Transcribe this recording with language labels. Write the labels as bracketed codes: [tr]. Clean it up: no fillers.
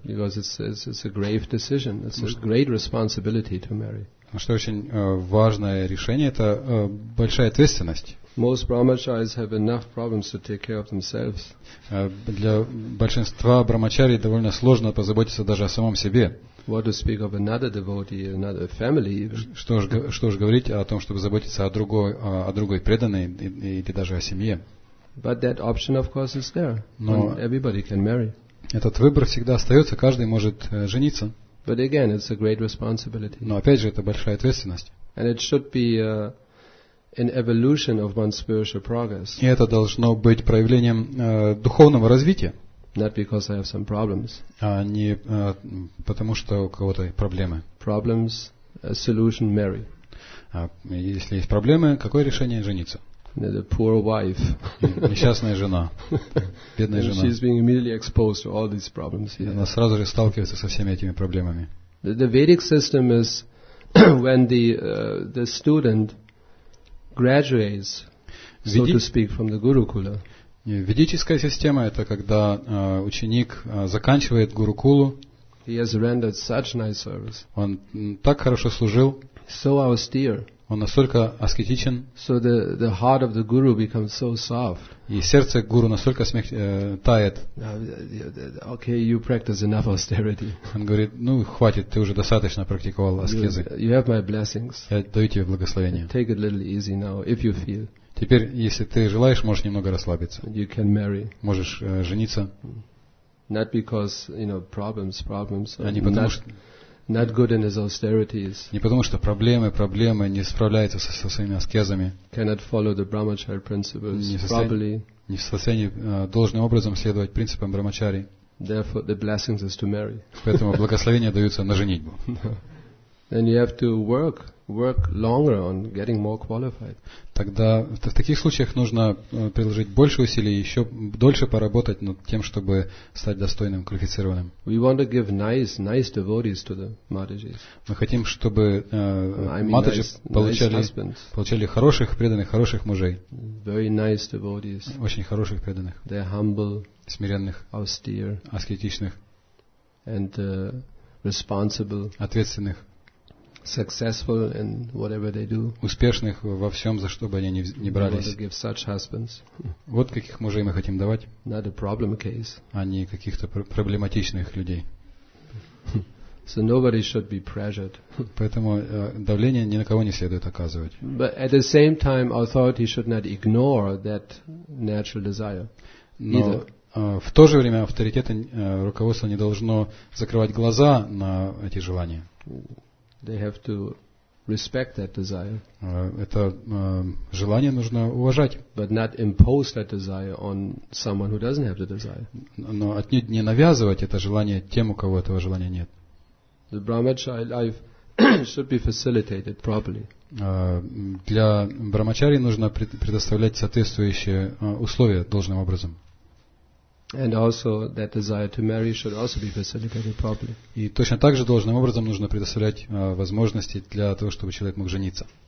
[en] Because it's a grave decision. It's a great responsibility to marry. [ru] Что очень важное решение, это большая ответственность. [en] Most brahmacharis have enough problems to take care of themselves. [ru] Для большинства брахмачари довольно сложно позаботиться даже о самом себе. [en] What to speak of another devotee, another family? [ru] Что ж говорить о том, чтобы заботиться о другой преданной или даже о семье? [en] But that option, of course, is there. [ru] Но [en] everybody can marry. [ru] Этот выбор всегда остается, каждый может жениться. [en] But again, it's a great responsibility. [ru] Но опять же, это большая ответственность. [en] And it should be an evolution of one's spiritual progress. [ru] И это должно быть проявлением духовного развития. [en] Not because I have some problems. [ru] А не потому, что у кого-то проблемы. [en] Problems, a solution, marry. [ru] Если есть проблемы, какое решение? Жениться. [en] The poor wife. [ru] Несчастная жена. Бедная жена. [en] She's being immediately exposed to all these problems. Yeah. [ru] Она сразу же сталкивается со всеми этими проблемами. [en] The Vedic system is when the student graduates, so to speak, from the Gurukula. [ru] Ведическая система — это когда ученик заканчивает Гурукулу. [en] He has rendered such nice service. [ru] Он так хорошо служил. [en] So austere. [ru] Он настолько аскетичен. [en] So the heart of the guru becomes so soft. [ru] И сердце гуру настолько тает. [en] Okay, you practice enough austerity. [ru] Он говорит: ну хватит, ты уже достаточно практиковал аскезы. [en] You have my blessings. [ru] Я даю тебе благословение. [en] Take it a little easy now, if you feel. [ru] Теперь, если ты желаешь, можешь немного расслабиться. [en] You can marry. [ru] Можешь жениться. [en] Not because, you know, problems. [ru] А не потому, что [en] not good in his austerities. [ru] Не потому, что проблемы, не справляется со своими аскезами. [en] Cannot follow the brahmachari principles properly. [ru] Не в состоянии должным образом следовать принципам брахмачари. [en] Therefore, the blessings is to marry. [ru] Поэтому благословения даются на женитьбу. [en] Then you have to work longer on getting more qualified. [ru] Тогда в таких случаях нужно приложить больше усилий, еще дольше поработать над тем, чтобы стать достойным, квалифицированным. [en] We want to give nice devotees to the Matajis. [ru] Мы хотим, чтобы Матаджи получали хороших преданных, хороших мужей. [en] Very nice devotees. [ru] Очень хороших преданных. [en] They're humble. [ru] Смиренных. [en] Austere. [ru] Аскетичных. [en] And responsible. [ru] Ответственных. [en] Successful in whatever they do. [ru] Успешных во всем, за что бы они ни брались. [en] We want to give such husbands. [ru] Вот каких мужей мы хотим давать. [en] Not a problem case. [ru] А не каких-то проблематичных людей. [en] So nobody should be pressured. [ru] Поэтому давление ни на кого не следует оказывать. [en] But at the same time, authority should not ignore that natural desire. [ru] Но в то же время авторитеты, руководство не должно закрывать глаза на эти желания. [en] They have to respect that desire. [ru] Это желание нужно уважать. [en] But not impose that desire on someone who doesn't have the desire. [ru] Но отнюдь не навязывать это желание тем, у кого этого желания нет. [en] The brahmachari life should be facilitated properly. [ru] Для брахмачари нужно предоставлять соответствующие условия должным образом. [en] And also that desire to marry should also be facilitated properly. [ru] И точно так же должным образом нужно предоставлять возможности для того, чтобы человек мог жениться.